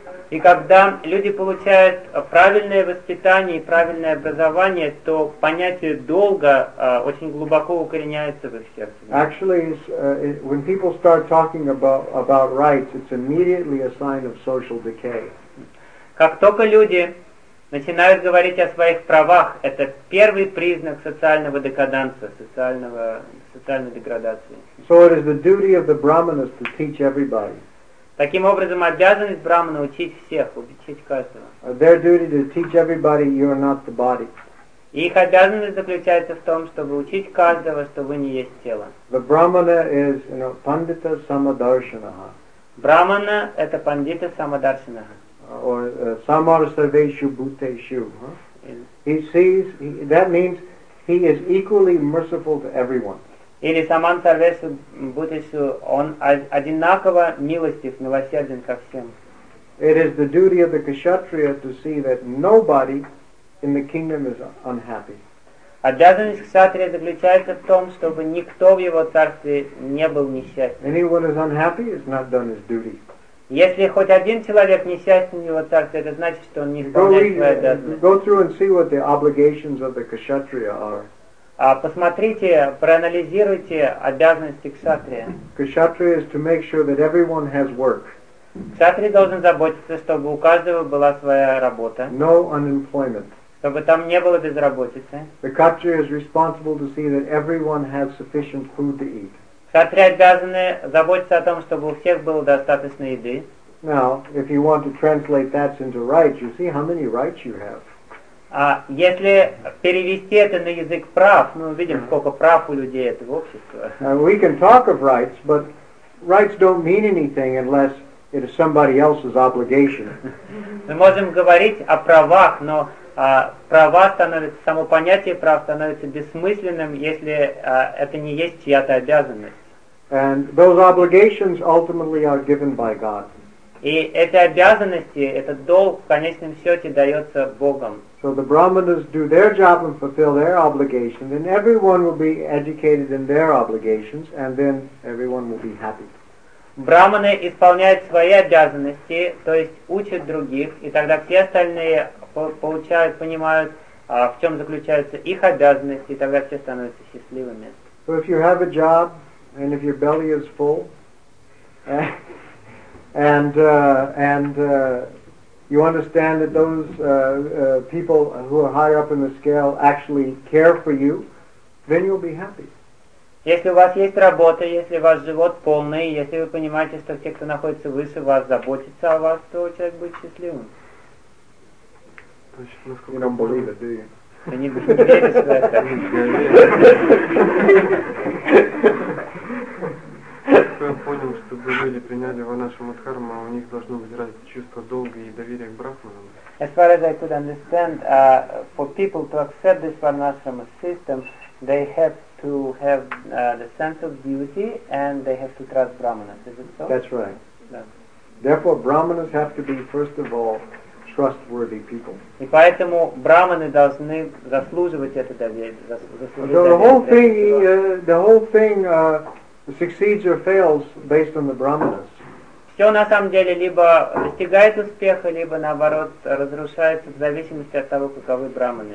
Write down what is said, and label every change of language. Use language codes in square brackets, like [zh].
[ru] И когда люди получают правильное воспитание и правильное образование, то понятие долга очень глубоко укореняется в их сердце. [en] Actually, when people start talking about rights, it's immediately a sign of social decay. [ru] Как только люди начинают говорить о своих правах, это первый признак социального декаданса, социальной деградации. [en] So it is the duty of the brahmanas to teach everybody. [ru] Таким образом, обязанность брахмана учить всех, учить каждого. [en] Their duty to teach everybody you are not the body. [ru] Их обязанность заключается в том, чтобы учить каждого, что вы не есть тело. [en] The brahmana is, you know, [sa] pandita samadarshanaha. [ru] Брахмана — это пандита самадаршанаха. [sa] Or samar sarveshu bhuteshu. [en] He sees, that means he is equally merciful to everyone. [ru] Или [sa] саман сарвесу бутесу, [ru] он одинаково милостив, милосерден ко всем. [en] It is the duty of the kshatriya to see that nobody in the kingdom is unhappy. [ru] Обязанность кшатрия заключается в том, чтобы никто в его царстве не был несчастен. [en] Anyone is unhappy has not done his duty. [ru] Если хоть один человек несчастен в его царстве, это значит, что он не исполняет свою обязанность. [en] Go through and see what the obligations of the kshatriya are. [ru] Посмотрите, проанализируйте обязанности кшатрия. [en] Кшатрия is to make sure that everyone has work. [ru] Кшатрия должен заботиться, чтобы у каждого была своя работа. [en] No unemployment. [ru] Чтобы там не было безработицы. [en] The kshatriya is responsible to see that everyone has sufficient food to eat. [ru] Кшатрия обязаны заботиться о том, чтобы у всех было достаточно еды. [en] Now, if you want to translate that into rights, you see how many rights you have. [ru] А если перевести это на язык прав, мы увидим, сколько прав у людей это в обществе. [en] We can talk of rights, but rights don't mean anything unless it is somebody else's obligation. [ru] Мы можем говорить о правах, но права становятся, само понятие прав становится бессмысленным, если это не есть чья-то обязанность. [en] And those obligations ultimately are given by God. [ru] И эти обязанности, этот долг в конечном счете дается Богом. [en] So the brahmanas do their job and fulfill their obligation, then everyone will be educated in their obligations, and then everyone will be happy. [ru] Брахманы исполняют свои обязанности, то есть учат других, и тогда все остальные получают, понимают, в чем заключаются их обязанности, и тогда все становятся счастливыми. [en] So if you have a job, and if your belly is full, you understand that those people who are higher up in the scale actually care for you, then you'll be happy. [ru] Если у вас есть работа, если ваш живот полный, если вы понимаете, что те, кто находится выше вас, заботятся о вас, то человек будет счастливым. [en] You don't believe it, do you? [ru] Они не верят в это. Я понял, что вы люди приняли во нашем дхарму, у них должно быть разное чувство долга и доверия к брахманам. [en] As far as I could understand, for people to accept this Varnashrama system, they have to have the sense of duty and they have to trust brahmanas. Is it so? That's right. Therefore, brahmanas have to be first of all trustworthy people. [ru] И поэтому брахманы должны заслуживать это доверие. [en] The whole thing succeeds or fails based on the brahmanas. [ru] все на самом деле либо достигает успеха, либо наоборот разрушается в зависимости от того, каковы брахманы.